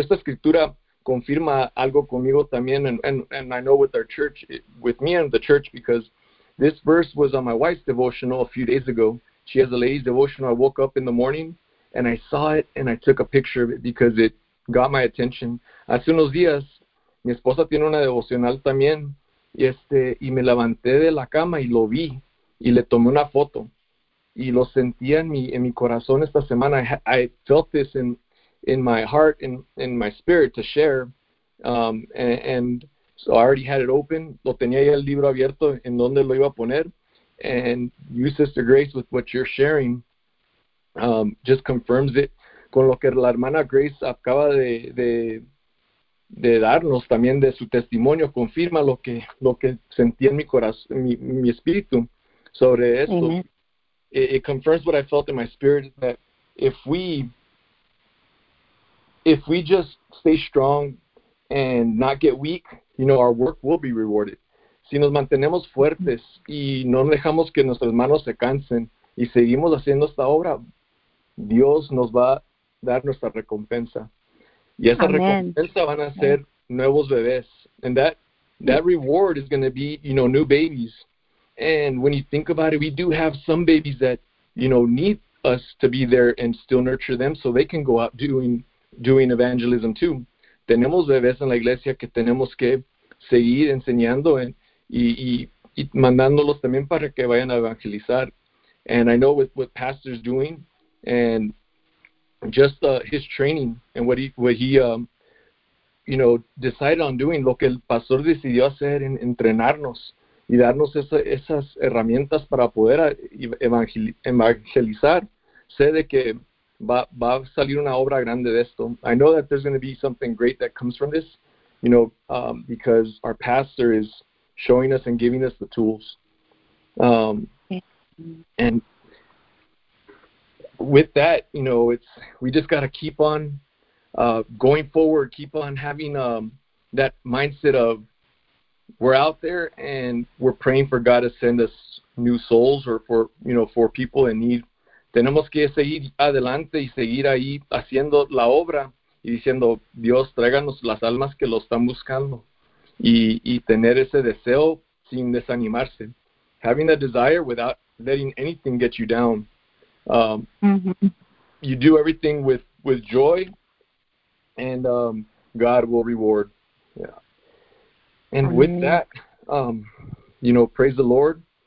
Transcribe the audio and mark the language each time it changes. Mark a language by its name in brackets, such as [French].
[Spanish] Esta escritura confirma algo conmigo también, [English] and I know with our church, with me and the church, because this verse was on my wife's devotional a few days ago. She has a ladies' devotional. I woke up in the morning, and I saw it, and I took a picture of it because it got my attention. [Spanish] Hace unos días, mi esposa tiene una devocional también, y me levanté de la cama y lo vi y le tomé una foto y lo sentía en mi corazón esta semana. [English] I felt this in my heart and in my spirit to share, and so I already had it open. [Spanish] Lo tenía ya el libro abierto en donde lo iba a poner. [English] And you, Sister Grace, with what you're sharing, just confirms it. [Spanish] Con lo que la hermana Grace acaba de darnos también de su testimonio, confirma lo que sentí en mi corazón, mi espíritu sobre esto. [English] It confirms what I felt in my spirit, that if we just stay strong and not get weak, you know, our work will be rewarded. [Spanish] Si nos mantenemos fuertes y no dejamos que nuestras manos se cansen y seguimos haciendo esta obra, Dios nos va a dar nuestra recompensa. Y esa recompensa van a ser nuevos bebés. [English] And that reward is going to be, you know, new babies. And when you think about it, we do have some babies that, you know, need us to be there and still nurture them so they can go out doing evangelism too. [Spanish] Tenemos bebés en la iglesia que tenemos que seguir enseñando y mandándolos también para que vayan a evangelizar. [English] And I know with what pastor's doing and just his training and what he decided on doing, [Spanish] lo que el pastor decidió hacer en entrenarnos y darnos esas herramientas para poder evangelizar, sé de que va a salir una obra grande de esto. [English] I know that there's going to be something great that comes from this, you know, because our pastor is showing us and giving us the tools. And with that, you know, we just got to keep on going forward, keep on having that mindset of we're out there and we're praying for God to send us new souls or for people in need. [Spanish] Tenemos que seguir adelante y seguir ahí haciendo la obra y diciendo, Dios, tráiganos las almas que lo están buscando. Y tener ese deseo sin desanimarse. [English] Having that desire without letting anything get you down. You do everything with joy, and God will reward. Yeah. And with that, you know, praise the Lord.